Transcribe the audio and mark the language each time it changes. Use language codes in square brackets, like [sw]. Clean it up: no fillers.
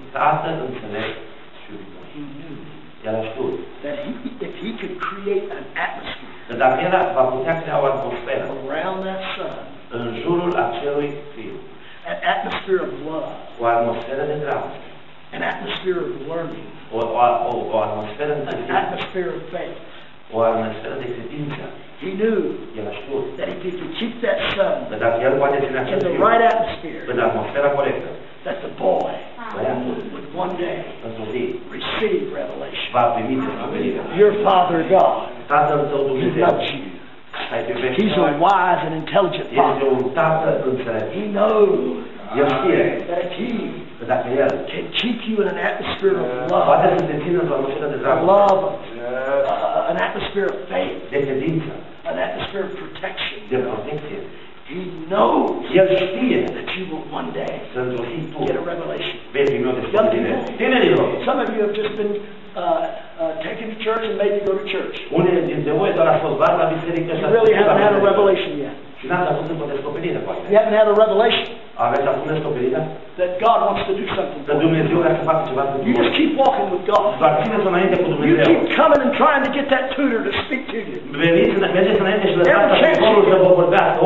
[ro] tată înțelept și iubitor. [en] That he, if he could create an atmosphere. [ro] Că dacă el va putea crea o atmosferă. [en] Around that son. [ro] În jurul acelui fiu. [en] An atmosphere of love. [ro] O atmosferă de dragoste. [en] An atmosphere of learning. An atmosphere of faith. [ro] O atmosferă de credință. [en] He knew [ro] el a știut [en] that if he could keep that son in the right atmosphere, [ro] în atmosfera corectă, [en] that the boy would one day receive revelation. [ro] Va primi descoperirea. [en] Your father God, [ro] tatăl tău Dumnezeu, [en] loves you. He's a wise and intelligent father. [ro] Este un tată înțelept. [en] He knows. [ro] Eu știe că dacă el [en] can keep you in an atmosphere of love, [ro] poate să te țină într-o atmosferă de dragoste, [en] love, an atmosphere of faith, [ro] de credință, [en] an atmosphere of protection, [ro] de protecție, [en] he knows, [ro] el știe [en] that you will one day get a revelation. [ro] Vei primi o descoperire. Tinerilor, [en] some of you have just been taken to church and made to go to church. [ro] Unii dintre voi doar a fost dat la biserică. [en] You really haven't had a revelation yet. [ro] Și n-ați avut încă o descoperire, poate. [en] You haven't had a revelation. [ro] Aveți acum descoperirea? [en] That God wants to do something. [ro] Că Dumnezeu vrea să facă ceva. [en] You just keep walking with God. [ro] Dar țineți înainte cu Dumnezeu. [en] You keep coming and trying to get that tutor to speak to you. [ro] Veniți înainte și lăsați acel tutor să vă vorbească.